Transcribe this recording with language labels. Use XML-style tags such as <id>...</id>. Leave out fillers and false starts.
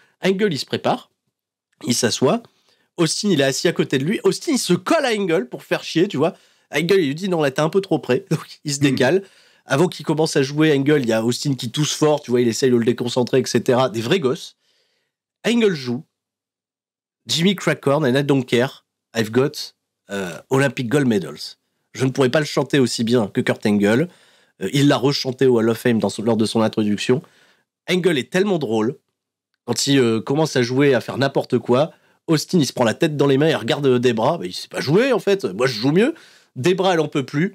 <fr>Angle, il se prépare, il s'assoit. Austin, il est assis à côté de lui. Austin, il se colle à Angle pour faire chier, tu vois. Angle, il lui dit non, là, t'es un peu trop près. Donc, il se décale. Avant qu'il commence à jouer Angle, il y a Austin qui tousse fort, tu vois, il essaye de le déconcentrer, etc. Des vrais gosses. Angle joue.</fr> <en>Jimmy Crackhorn, and I don't care, I've got Olympic gold medals.</en> <fr>Je ne pourrais pas le chanter aussi bien que Kurt Angle. Il l'a rechanté au Hall of Fame lors de son introduction. Angle est tellement drôle. Quand il commence à jouer, à faire n'importe quoi, Austin, il se prend la tête dans les mains, il regarde Debra. Bah, il ne sait pas jouer, en fait. Moi, je joue mieux. Debra, elle n'en peut plus.</fr>